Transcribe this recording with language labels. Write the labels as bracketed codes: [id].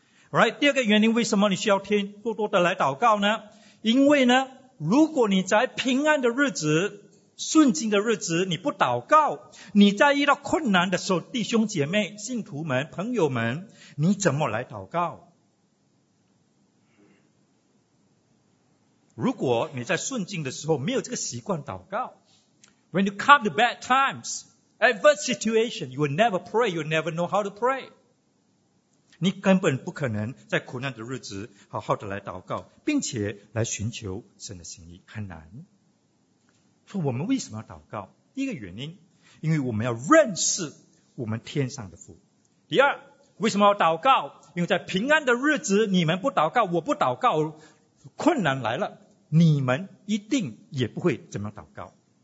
[zh] Alright, 第二个原因，为什么你需要天多多的来祷告呢？因为呢，如果你在平安的日子、顺境的日子你不祷告，你在遇到困难的时候，弟兄姐妹、信徒们、朋友们，你怎么来祷告？如果你在顺境的时候没有这个习惯祷告， [en] When you come to bad times, adverse situation, you will never pray, you will never know how to pray. [zh] 你根本不可能在苦难的日子好好的来祷告，并且来寻求神的心意，很难。所以我们为什么要祷告？第一个原因，因为我们要认识我们天上的父。第二，为什么要祷告？因为在平安的日子，你们不祷告，我不祷告，困难来了，你们一定也不会怎么样祷告。